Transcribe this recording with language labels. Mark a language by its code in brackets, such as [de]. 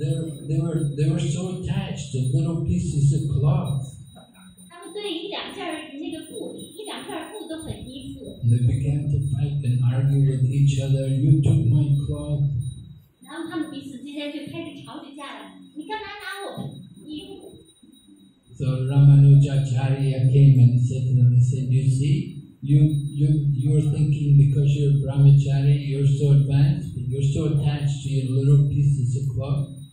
[en] They were so attached to little pieces of cloth. They began to fight and argue with each other. "You took my cloth." [zh] 然后他们彼此之间就开始吵起架了，你干嘛拿我的衣服？ [en] So Ramanujacharya came and said to them, "You see, you're thinking because you're brahmachari, you're so advanced, but you're so attached to your little pieces of cloth."